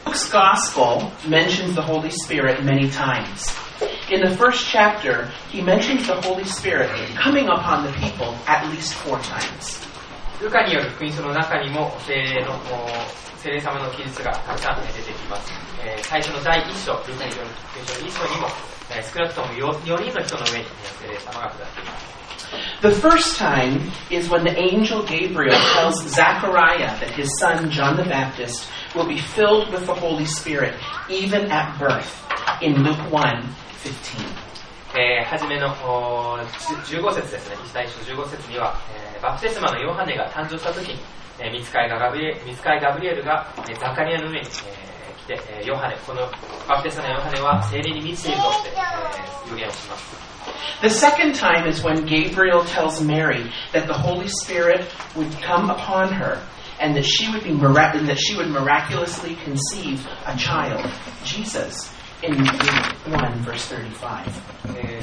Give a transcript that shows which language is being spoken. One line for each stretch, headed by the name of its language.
English: Gospel mentions the Holy Spirit many times. In the first chapter, he mentions the Holy Spirit coming upon the people at least four times.
Japanese: ルカによる福音書の中にも聖霊様の記述がたくさん出てきます。最初の第一章、ルカによる福音書の一章にも、少なくとも 4人の人の上に聖霊様が下っています。
English: The first time is when the angel Gabriel tells Zechariah that his son John the Baptist will be filled with the Holy Spirit even at birth in Luke 1:15.
Japanese: 初めの15節ですね。一章15節には、バプテスマのヨハネが誕生した時に、ミツカイガブリエルが、ザカリアの上に、来て、ヨハネ、このバプテスマのヨハネは聖霊に満ちているぞって、予言をします。
English: The second time is when Gabriel tells Mary that the Holy Spirit would come upon her and that she would be miraculously conceive a child, Jesus, in Luke 1:35.